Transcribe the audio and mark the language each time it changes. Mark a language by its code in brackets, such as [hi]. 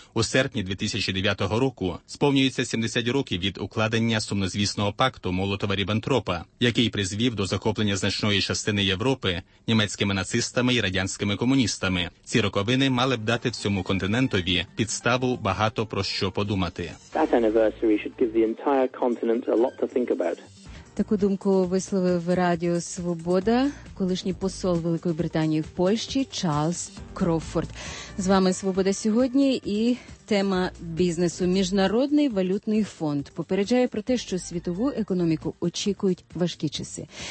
[uk] У серпні 2009 року сповнюється 70 років від укладення сумнозвісного пакту Молотова-Ріббентропа, який призвів до захоплення значної частини Європи німецькими нацистами і радянськими комуністами. Ці роковини мали б дати всьому континентові підставу багато про що подумати. [en] That anniversary should give the entire continent a lot to think about. [uk] Таку думку висловив Радіо Свобода колишній посол Великої Британії в Польщі Чарльз Кроуфорд. З вами «Свобода сьогодні» і тема бізнесу. Міжнародний валютний фонд попереджає про те, що світову економіку очікують важкі часи.